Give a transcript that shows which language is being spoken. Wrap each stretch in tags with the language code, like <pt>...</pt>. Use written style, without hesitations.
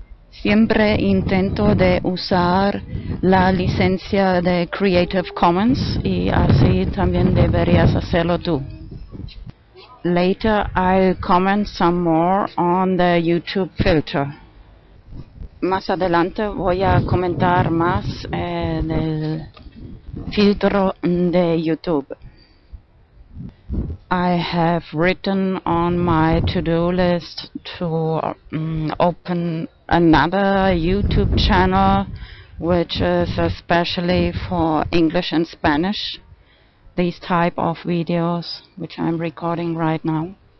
<es>Siempre intento de usar la licencia de Creative Commons, y así también deberías hacerlo tú.</es> <en>Later I'll comment some more on the YouTube filter.</en> <es>Más adelante voy a comentar más en el filtro de YouTube.</es> <en>I have written on my to-do list to open another YouTube channel which is especially for English and Spanish, these type of videos which I'm recording right now.</en>